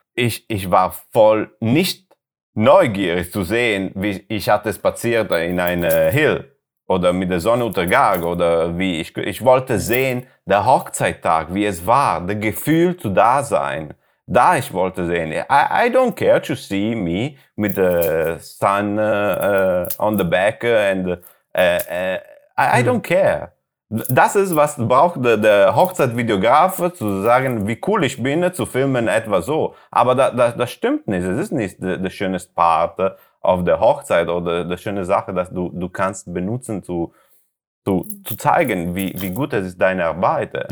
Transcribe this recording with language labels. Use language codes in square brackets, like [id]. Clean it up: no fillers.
[de] Ich war voll nicht neugierig zu sehen, wie ich hatte spaziert in einem Hill oder mit der Sonnenuntergang oder wie ich wollte sehen, der Hochzeittag, wie es war, das Gefühl zu da sein, da ich wollte sehen. [en] I don't care to see me with the sun on the back and I don't care. [de] Das ist, was braucht der Hochzeitvideograf, zu sagen, wie cool ich bin, zu filmen, etwa so. Aber das stimmt nicht. Es ist nicht der schönste Part auf der Hochzeit oder die schöne Sache, dass du kannst benutzen zu zeigen, wie gut es ist, deine Arbeit.